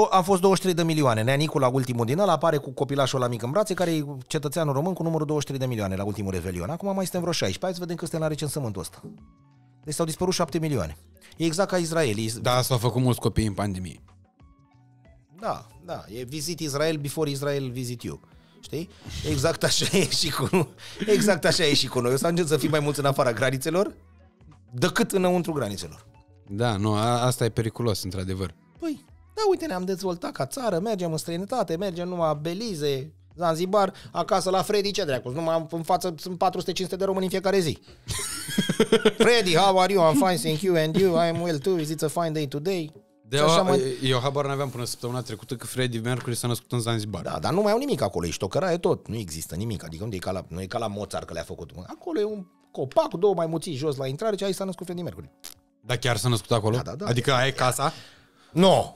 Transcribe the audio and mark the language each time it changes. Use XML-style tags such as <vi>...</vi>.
<ro>Am fost 23 de milioane. Neanicul la ultimul din ăla apare cu copilașul ăla mic în brațe, care e cetățeanul român cu numărul 23 de milioane la ultimul revelion. Acum mai suntem vreo 16. Hai să vedem că suntem la recensământul ăsta. Deci s-au dispărut 7 milioane. E exact ca Israelii. Da, s-au făcut mulți copii în pandemie. Da, da.</ro> <en>E visit Israel before Israel visit you.</en> <ro>Știi? Exact așa e și cu, exact așa e și cu noi. O să ajungem să fim mai mulți în afara granițelor decât înăuntru granițelor. Da, nu, asta e periculos, într-adevăr. Păi, da, uite, ne-am dezvoltat ca țară, mergem în străinătate, mergem numai Belize, Zanzibar, acasă la Freddy, ce dracu, numai în față sunt 400-500 de români în fiecare zi.</ro> <en>Freddy, how are you? I'm fine, thank you, and you? I'm well too, is it a fine day today?</en> <ro>Eu habar n-aveam până săptămâna trecută că Freddie Mercury s-a născut în Zanzibar. Da, dar nu mai au nimic acolo, ești o cărare tot, nu există nimic, adică unde e ca la, nu e ca la Mozart că le-a făcut. Acolo e un copac cu două maimuții jos la intrare, ce ai s-a născut Freddie Mercury. Dar chiar s-a născut acolo? Da, da, da. Adică ai casa? Nu. No.</ro>